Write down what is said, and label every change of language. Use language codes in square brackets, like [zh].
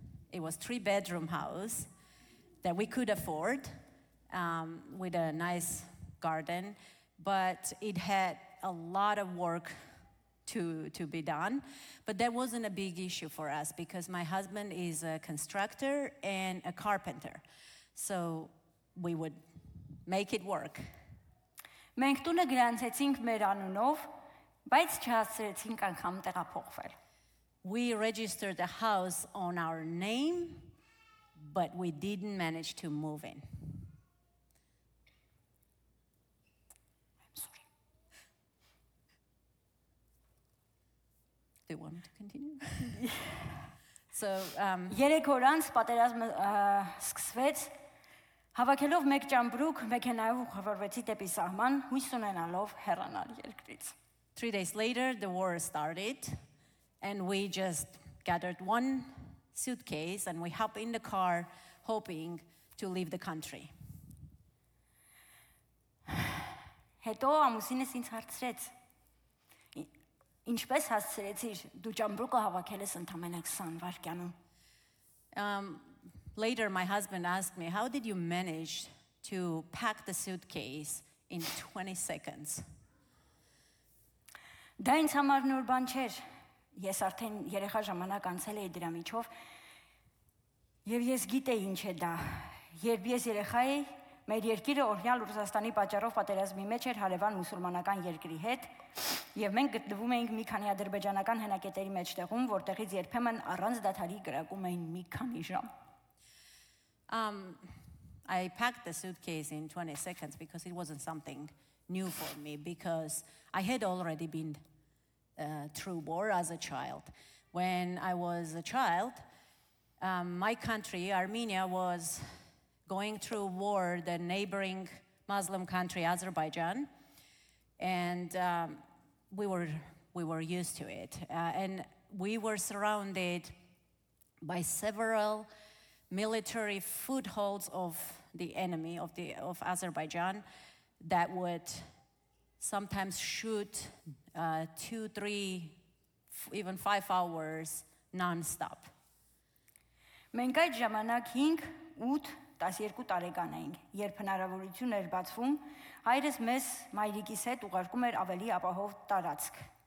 [en] It was 3 bedroom house that we could afford with a nice garden, but it had a lot of work to be done, but that wasn't a big issue for us because my husband is a constructor and a carpenter, so we would make it work. [hy] Մենք տունը գրանցեցինք մեր անունով, բայց չհասցրեցինք անգամ տեղափոխվել. [en] We registered the house on our name, but we didn't manage to move in. Do you want me to continue? So, [hy] 3 օր անց պատերազմը սկսվեց, հավաքելով մեկ ճամբրուկ, մեքենայով խորվեցի դեպի սահման, հույս ունենալով հեռանալ երկրից. [en] 3 days later the war started and we just gathered one suitcase and we hopped in the car hoping to leave the country. [hy] Հետո ամուսինս ինձ հարցրեց. Ինչպես հասցրեցիր դու ճամբրուկը հավաքելես ընդամենը 20 վայրկյանում? [en] Later my husband asked me, how did you manage to pack the suitcase in 20 seconds? [hy] Դա ինձ համար նոր բան չէր։ Ես արդեն երեխա ժամանակ անցել էի դրա միջով։ Եվ ես գիտեի ինչ է դա։ Երբ ես երեխա էի, մեր երկիրը օրինալ Ռուսաստանի պատճառով պատերազմի մեջ էր հարևան մուսուլմանական երկրի հետ։ Եվ մենք գտնվում էինք մի քանի ադրբեջանական հենակետերի մեջտեղում, որտեղից երբեմն առանց դադարի գրակում էին մի քանի ժամ։ [en] I packed the suitcase in 20 seconds because it wasn't something new for me because I had already been through war as a child. When I was a child, my country, Armenia, was going through war with the neighboring Muslim country, Azerbaijan. And we were used to it and we were surrounded by several military footholds of the enemy of Azerbaijan that would sometimes shoot 2-3 even 5 hours non-stop. [hy] Մենք այդ ժամանակ 5-8-12 տարեկան էինք, երբ հնարավորություն էր բացվում Հայրս մեզ մայրիկիս հետ ուղարկում էր ավելի ապահով տարածք։